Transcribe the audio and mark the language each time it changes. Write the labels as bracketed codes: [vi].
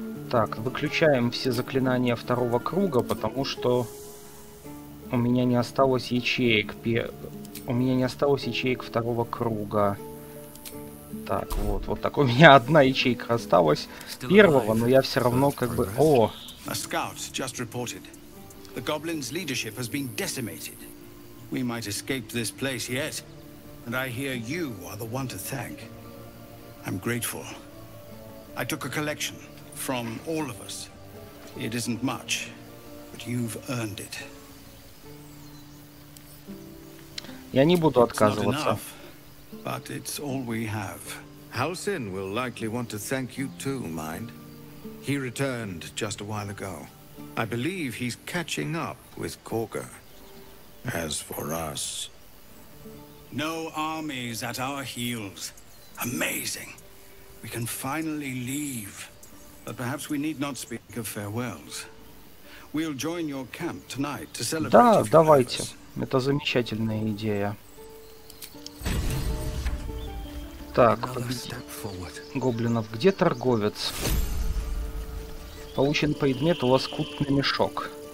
[ru] Так, выключаем все заклинания второго круга, потому что у меня не осталось ячеек. У меня не осталось ячеек второго круга. Так, вот, вот так. У меня одна ячейка осталась первого, но я все равно как бы. [en] О! A scout just reported. The goblin's leadership has been decimated. We might escape this place yet. And I hear you are the one to thank. I'm grateful. I took a collection. From all of us. It isn't much, but you've earned it. [ru] Я не буду отказываться. [en] But it's all we have. Halsin will likely want to thank you too, mind. He returned just a while ago. I believe he's catching up with Corker. As for us. No armies at our heels. Amazing. We can finally leave. But perhaps we need not speak of farewells. We'll join your camp tonight to celebrate. [ru] Да, давайте. Это замечательная идея. Так, гоблинов. Где торговец? Получен предмет лоскутный мешок.